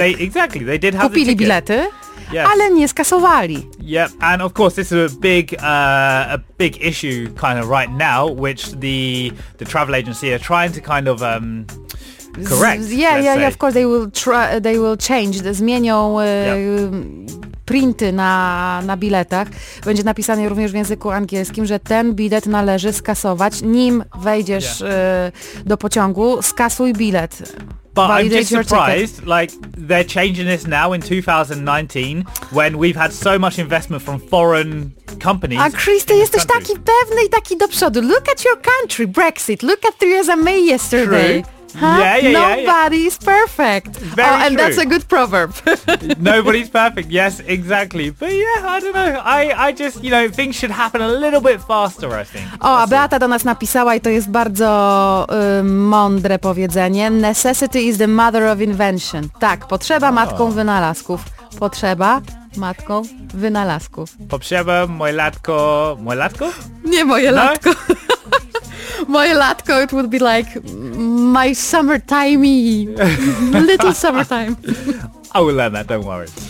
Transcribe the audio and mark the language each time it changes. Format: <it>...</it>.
<en>they did have</en> <pl>kupili</pl> <en>the ticket.</en> <pl>Bilety.</pl> <en>Yes.</en> <pl>Ale nie skasowali.</pl> <en>Yep, and of course this is a big issue kind of right now, which the travel agency are trying to kind of correct. Yeah, of course they will change.</en> <pl>Zmienią printy na biletach. Będzie napisane również w języku angielskim, że ten bilet należy skasować, nim wejdziesz do pociągu. Skasuj bilet.</pl> <en>But validate I'm just surprised, like, they're changing this now in 2019, when we've had so much investment from foreign companies.</en> <pl>A Chris, ty jesteś taki pewny i taki do przodu.</pl> <en>Look at your country, Brexit. Look at Theresa May yesterday. True. Nobody's perfect. Very true. And that's a good proverb. Nobody's perfect. Yes, exactly. But yeah, I don't know. I just, you know, things should happen a little bit faster, I think.</en> <pl>O, a Beata do nas napisała i to jest bardzo mądre powiedzenie.</pl> <en>Necessity is the mother of invention.</en> <pl>Tak, potrzeba matką wynalazków. Potrzeba matką wynalazków. Potrzeba moje latko... Moje latko? Nie moje latko. Moje latko,</pl> <en>it would be like my summertime-y. Little summertime. I will learn that, don't worry.</en>